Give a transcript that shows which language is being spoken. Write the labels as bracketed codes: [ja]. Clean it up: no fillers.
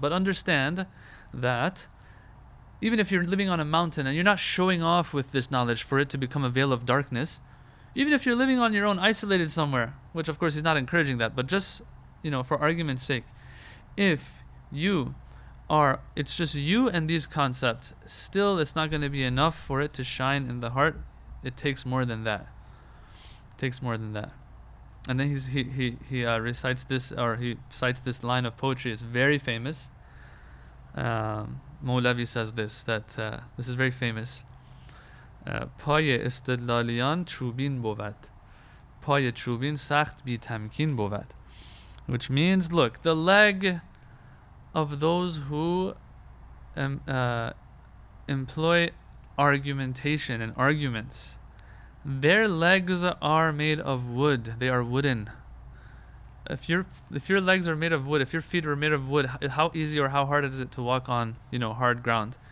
[en] But understand that even if you're living on a mountain and you're not showing off with this knowledge for it to become a veil of darkness, even if you're living on your own, isolated somewhere, which of course he's not encouraging that, but just, you know, for argument's sake, if you are, it's just you and these concepts, still it's not going to be enough for it to shine in the heart. It takes more than that. It takes more than that. And then he recites this, or he cites this line of poetry. It's very famous. Maulavi says this, that this is very famous. [fa] پایه استدلالیان چوبین بود. پایه چوبین سخت بی تمکین بود. [en] Which means, look, the leg of those who employ argumentation and arguments, their legs are made of wood. They are wooden. If your legs are made of wood, if your feet are made of wood, how easy or how hard is it to walk on, you know, hard ground?